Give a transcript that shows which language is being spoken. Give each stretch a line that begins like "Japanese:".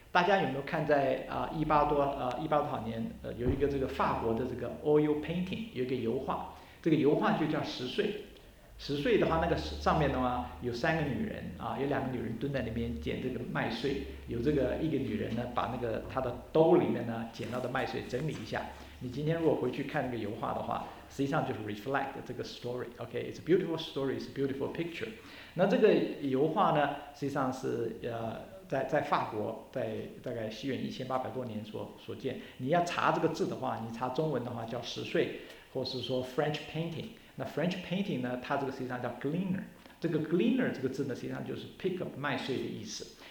Chinese: 大家有没有看在18多少年有一个这个法国的这个 oil painting， 有一个油画，这个油画就叫十岁的话，那个上面的话有3个女人有2个女人蹲在那边捡这个麦穗，有这个一个女人呢把那个她的兜里面呢捡到的麦穗整理一下。你今天如果回去看那个油画的话，实际上就是 reflect 这个 story， OK，
English: it's a beautiful story， it's a beautiful picture。
Chinese: 那这个油画呢实际上是在法国，在大概西元1800多年所见。你要查这个字的话，你查中文的话叫十岁，或是说 French painting。 那 French painting 呢，它这个实际上叫 gleaner，这个 gleaner 这个字呢，实际上就是 pick up 麦穗的意思。